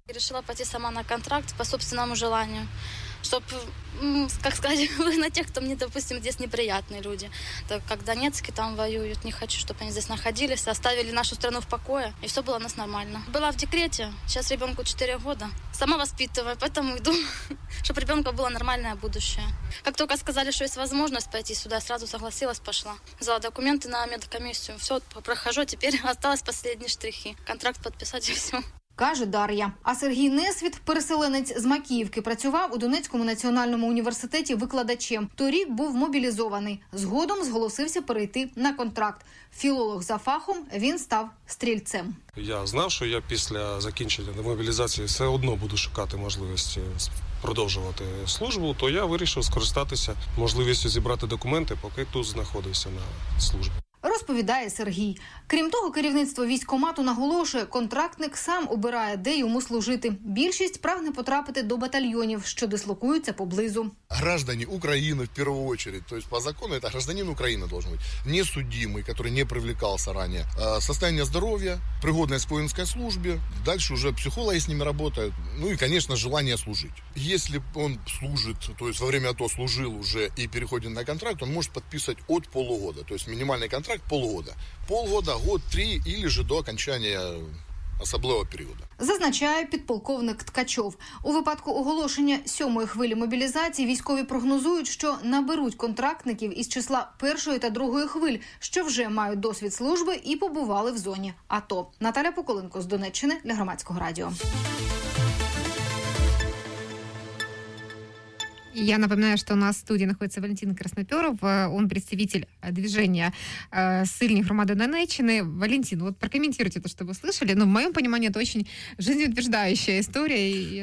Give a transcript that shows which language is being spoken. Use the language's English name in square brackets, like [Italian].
[Ukrainian] Вирішила піти сама на контракт [Russian] по собственному желанню, [Ukrainian] щоб, як сказати, вигнати тих, хто мені, допустимо, десь неприятні люди. Так, як Донецькі там воюють, не хочу, щоб вони десь знаходилися, оставили нашу країну в покої, і все було у нас нормально. Була в декреті, зараз ребенку 4 роки. [Russian] Сама воспитываю, поэтому иду, чтобы ребенка было нормальное будущее. Как только сказали, что есть возможность пойти сюда, сразу согласилась, пошла. Взяла документы на медкомиссию, все, прохожу, теперь осталось последние штрихи. Контракт подписать и все. [Ukrainian] Каже Дар'я. А Сергій Несвіт, переселенець з Макіївки, працював у Донецькому національному університеті викладачем. Торік був мобілізований. Згодом зголосився перейти на контракт. Філолог за фахом, він став стрільцем. Я знав, що я після закінчення демобілізації все одно буду шукати можливості продовжувати службу, то я вирішив скористатися можливістю зібрати документи, поки тут знаходився на службі. Розповідає Сергій. Крім того, керівництво військомату наголошує, контрактник сам обирає, де йому служити. Більшість прагне потрапити до батальйонів, що дислокуються поблизу. Граждані України, в першу чергу, тобто по закону, це гражданин України має бути, несудимий, який не привлекався раніше. Состояння здоров'я, пригодність воїнської служби, далі вже психологи з ними працюють, ну і, звісно, бажання служити. Якщо він служить, тобто [Russian] во время [Ukrainian] АТО служив вже і переходить на контракт, він може підписати від полугода, тобто мінімальний контракт. [Russian] Контракт полгода. Полгода, год, три, или же до окончания [Ukrainian] особливого періоду. Зазначає підполковник Ткачов. У випадку оголошення сьомої хвилі мобілізації військові прогнозують, що наберуть контрактників із числа першої та другої хвиль, що вже мають досвід служби і побували в зоні АТО. Наталя Поколенко з Донеччини для Громадського радіо. [Russian] Я напоминаю, что у нас в студии находится Валентин Красноперов. Он представитель движения «Сильні громади Донеччини». Валентин, вот прокомментируйте то, что вы слышали. Ну, в моем понимании, это очень жизнеутверждающая история.